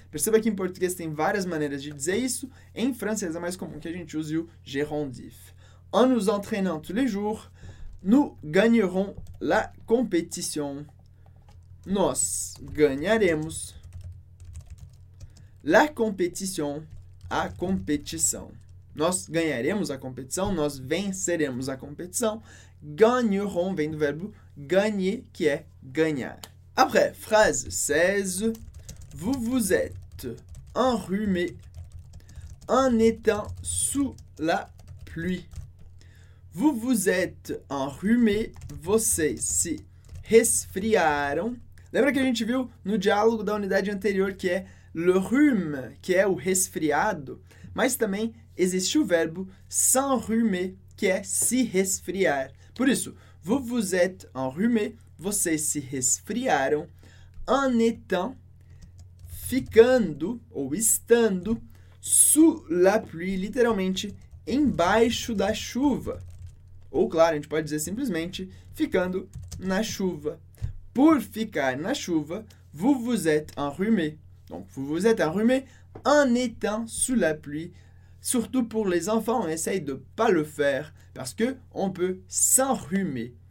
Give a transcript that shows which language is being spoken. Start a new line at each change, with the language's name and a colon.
Portuguese: Perceba que em português tem várias maneiras de dizer isso, em francês é mais comum que a gente use o gerundif.
French: En nous entraînant tous les jours, nous gagnerons la compétition.
Portuguese: Nós ganharemos
French: la compétition,
Portuguese: a competição. Nós ganharemos a competição, nós venceremos a competição. Gagneront vem do verbo gagner, que é ganhar.
French: Après, phrase 16. Vous vous êtes enrhumé en étant sous la pluie. Vous vous êtes enrhumé,
Portuguese: vocês se resfriaram. Lembra que a gente viu no diálogo da unidade anterior que é le rhume, que é o resfriado? Mas também existe o verbo s'enrhumer, que é se resfriar. Por isso,
French: vous vous êtes enrhumé,
Portuguese: vocês se resfriaram,
French: en étant,
Portuguese: ficando ou estando,
French: sous la pluie,
Portuguese: literalmente, embaixo da chuva. Ou, claro, a gente pode dizer simplesmente, ficando na chuva. Por ficar na chuva,
French: vous vous êtes enrhumé. Donc, vous vous êtes enrhumé en étant sous la pluie. Surtout pour les enfants, on essaye de pas le faire parce que on peut s'enrhumer.